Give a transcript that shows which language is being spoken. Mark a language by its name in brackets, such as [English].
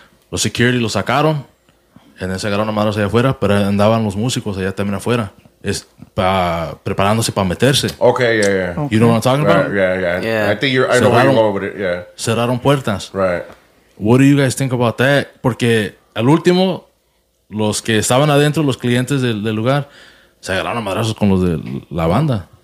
[Spanish] Los security lo sacaron, y se agarraron a manos allá afuera, pero andaban los músicos allá también afuera. Es preparándose para meterse. [English] Okay. You know what I'm talking about? Yeah. I think you're. I know where you're going with it. Yeah. [Spanish] Cerraron puertas. [English] Right. What do you guys think about that? [Spanish] Porque al último, los que estaban adentro, los clientes del lugar, se agarraron a madrazos con los de la banda.